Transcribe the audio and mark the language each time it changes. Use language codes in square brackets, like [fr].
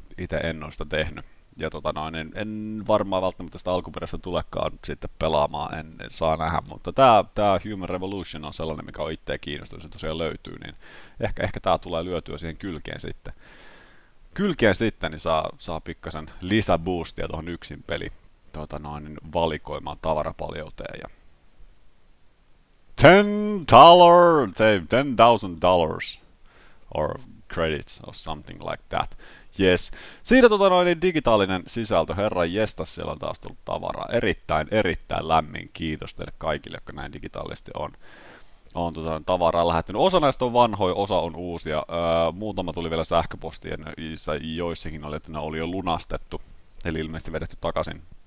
[fi] Itse en ole sitä tehnyt. Ja tota noin, en varmaan välttämättä sitä alkuperäistä tulekaan sitten pelaamaan, en saa nähdä. Mutta tämä Human Revolution on sellainen, mikä on itseä kiinnostunut, se tosiaan löytyy, niin ehkä tämä tulee lyötyä siihen kylkeen sitten. Kylkeen sitten, niin saa pikkasen lisäboostia tuohon yksin peli valikoimaan tavarapaljouteen. [en] Ja $10,000 or credits or something like that. Yes. [fi] Siinä digitaalinen sisältö. Herran jestas, siellä on taas tullut tavaraa. Erittäin lämmin kiitos teille kaikille, jotka näin digitaalisesti on tavaraa lähettänyt. Osa näistä on vanhoja, osa on uusia. Muutama tuli vielä sähköpostiin, joissakin oli, että ne oli jo lunastettu, eli ilmeisesti vedetty takaisin.